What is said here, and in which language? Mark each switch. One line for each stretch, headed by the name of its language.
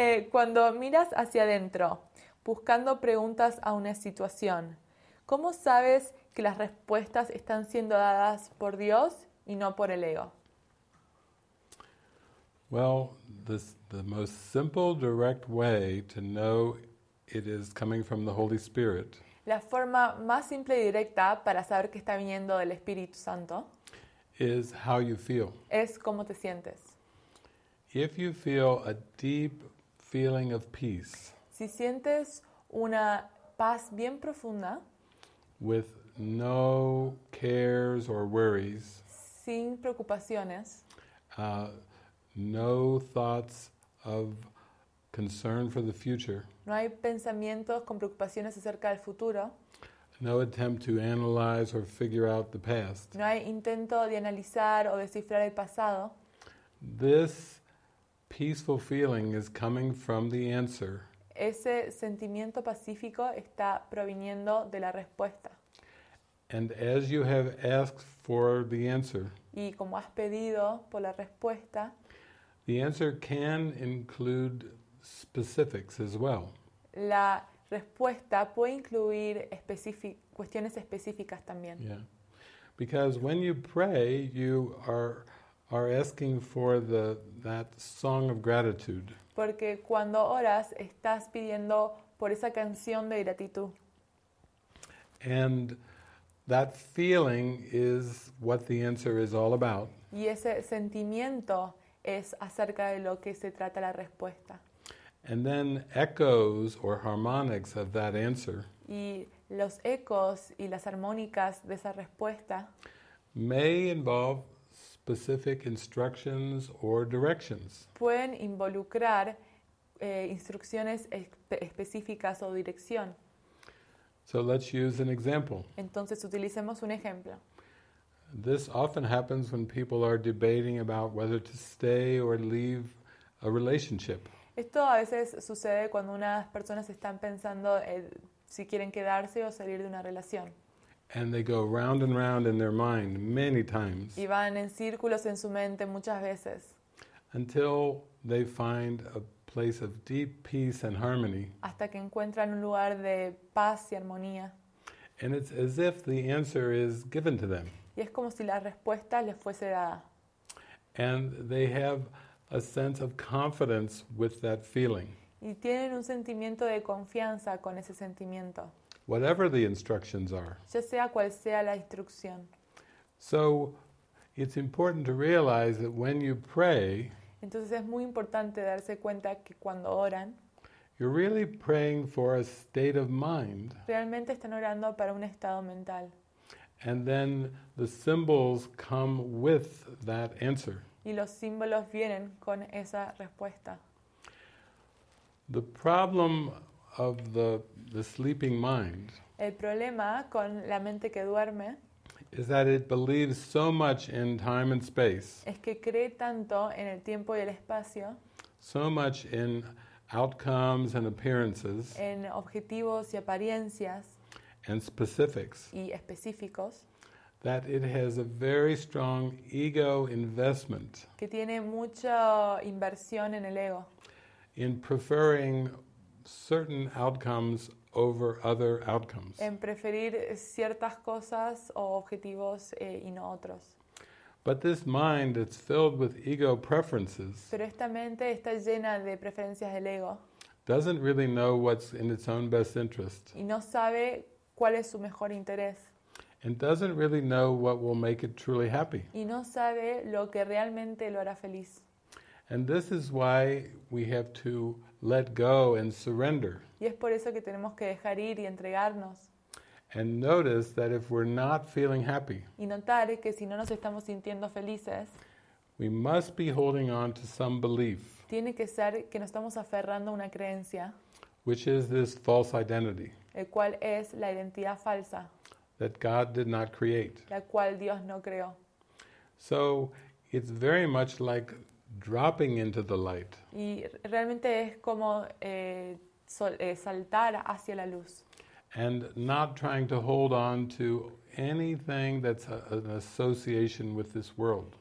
Spanish: Cuando miras hacia adentro, buscando preguntas a una situación, ¿cómo sabes que las respuestas están siendo dadas por Dios y no por el ego?
English: Well, the most simple direct way to know it is coming from the Holy Spirit.
Spanish: La forma más simple y directa para saber que está viniendo del Espíritu Santo
English: is how you feel.
Spanish: Es cómo te sientes.
English: If you feel a deep feeling of peace,
Spanish: si sientes una paz bien profunda,
English: with no cares or worries,
Spanish: sin preocupaciones,
English: no thoughts of concern for the future,
Spanish: no hay pensamientos con preocupaciones acerca del futuro,
English: no attempt to analyze or figure out the past,
Spanish: no hay intento de analizar o descifrar el pasado,
English: this peaceful feeling is coming from the answer.
Spanish: Ese sentimiento pacífico está proviniendo de la respuesta.
English: And as you have asked for the answer,
Spanish: y como has pedido por la respuesta,
English: the answer can include specifics as well.
Spanish: La respuesta puede incluir cuestiones específicas también.
English: Yeah. Because when you pray, you are asking for that song of gratitude.
Spanish: Porque cuando oras, estás pidiendo por esa canción de gratitud.
English: And that feeling is what the answer is all about.
Spanish: Y ese sentimiento es acerca de lo que se trata la respuesta.
English: And then echoes or harmonics of that answer.
Spanish: Y los ecos y las armónicas de esa respuesta
English: may involve specific instructions or directions.
Spanish: Pueden involucrar instrucciones específicas o dirección.
English: So let's use an example.
Spanish: Entonces utilicemos un ejemplo.
English: This often happens when people are debating about whether to stay or leave a relationship.
Spanish: Esto a veces sucede cuando unas personas están pensando si quieren quedarse o salir de una relación.
English: And they go round and round in their mind many times.
Spanish: Y van en círculos en su mente muchas veces.
English: Until they find a place of deep peace and harmony.
Spanish: Hasta que encuentran un lugar de paz y armonía.
English: And it's as if the answer is given to them.
Spanish: Y es como si la respuesta les fuese dada.
English: And they have a sense of confidence with that feeling.
Spanish: Y tienen un sentimiento de confianza con ese sentimiento.
English: Whatever the instructions are.
Spanish: Ya sea cual sea la instrucción.
English: So it's important to realize that when you pray,
Spanish: entonces es muy importante darse cuenta que cuando oran,
English: you're really praying for a state of mind.
Spanish: Realmente están orando para un estado mental.
English: And then the symbols come with that answer.
Spanish: Y los símbolos vienen con esa respuesta.
English: The problem of the sleeping mind.
Spanish: El problema con la mente que duerme
English: is that it believes so much in time and space.
Spanish: Es que cree tanto en el tiempo y el espacio.
English: So much in outcomes and appearances.
Spanish: En objetivos y apariencias.
English: And specifics.
Spanish: Y específicos.
English: That it has a very strong ego investment.
Spanish: Que tiene mucha inversión en el ego.
English: In preferring certain outcomes over other outcomes.
Spanish: En preferir ciertas cosas o objetivos y no otros.
English: But this mind that's filled with ego preferences.
Spanish: Pero esta mente está llena de preferencias del ego.
English: Doesn't really know what's in its own best interest.
Spanish: Y no sabe cuál es su mejor interés.
English: And doesn't really know what will make it truly happy.
Spanish: Y no sabe lo que realmente lo hará feliz.
English: And this is why we have to let go and surrender.
Spanish: Y es por eso que tenemos que dejar ir y entregarnos.
English: And notice that if we're not feeling happy.
Spanish: Y notar que si no nos estamos sintiendo felices.
English: We must be holding on to some belief.
Spanish: Tiene que ser que nos estamos aferrando a una creencia.
English: Which is this false identity.
Spanish: El cual es la identidad falsa.
English: That God did not create.
Spanish: La cual Dios no creó.
English: So it's very much like dropping into the light.
Spanish: Y realmente es como saltar hacia la luz.
English: And not trying to hold on to anything that's an association with this world.